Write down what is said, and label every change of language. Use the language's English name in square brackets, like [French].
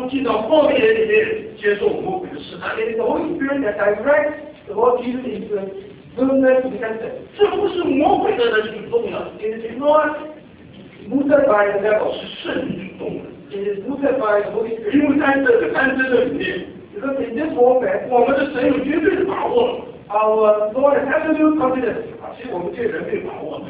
[Chinese] 是圣灵引导耶稣进到旷野里面接受魔鬼的试探。 [English] It is the Holy Spirit that directs the Lord Jesus into the wilderness to be tempted. [Chinese] 这不是魔鬼的人主动的, [English] it is not moved by the devil. [Chinese] 是圣灵主动的, [English] it is moved by the Holy Spirit. [Chinese] 因为在这个战争里面, [English] because in this warfare, [Chinese] 我们的神有绝对的把握, [English] our Lord has absolute confidence. [Chinese] 其实我们这些人没有把握,